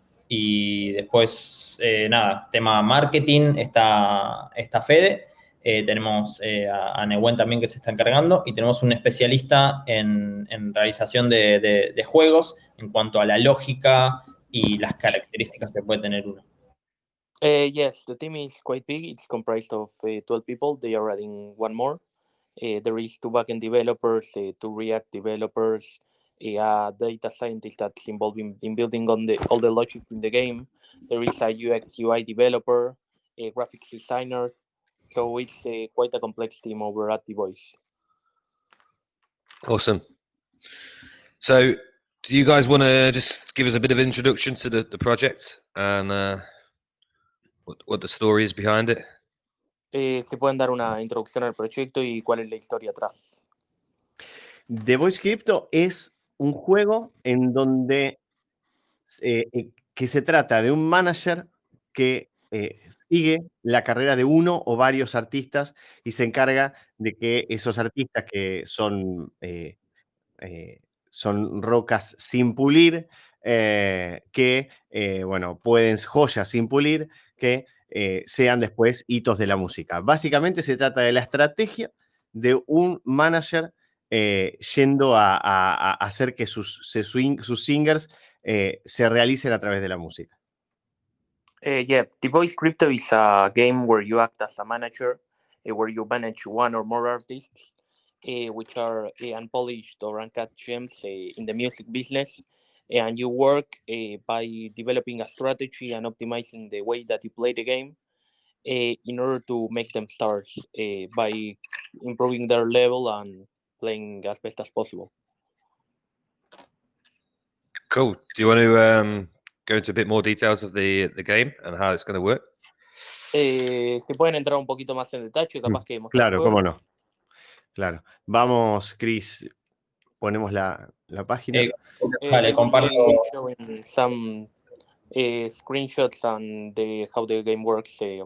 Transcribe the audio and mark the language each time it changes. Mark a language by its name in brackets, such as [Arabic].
[Spanish] y después, nada, tema marketing, está Fede, tenemos a Nehuen también que se está encargando, y tenemos un especialista en realización de juegos en cuanto a la lógica y las características que puede tener uno. [English] Yes, the team is quite big. It's comprised of 12 people. They are adding one more. There is two backend developers, two React developers, a data scientist that's involved in building on the all the logic in the game. There is a UX UI developer, a graphics designers. So it's quite a complex team over at Devoice. Awesome. So do you guys want to just give us a bit of introduction to the project and what the story is behind it? [Spanish] ¿Se pueden dar una introducción al proyecto y cuál es la historia atrás? The Voice Crypto es un juego en donde que se trata de un manager que sigue la carrera de uno o varios artistas y se encarga de que esos artistas que son, son rocas sin pulir, que, bueno, pueden ser joyas sin pulir, que sean después hitos de la música. Básicamente se trata de la estrategia de un manager yendo a hacer que sus singers se realicen a través de la música. [English] Yeah, The Voice Crypto is a game where you act as a manager, where you manage one or more artists, which are unpolished or uncut gems in the music business. And you work by developing a strategy and optimizing the way that you play the game in order to make them stars by improving their level and playing as best as possible. Cool. Do you want to go into a bit more details of the game and how it's going to work? [Spanish] Si pueden entrar un poquito más en detalle, capaz que hemos... Claro, cómo no. Claro. Vamos, Chris. Ponemos la página. Vale, comparto. [English] Some screenshots on how the game works.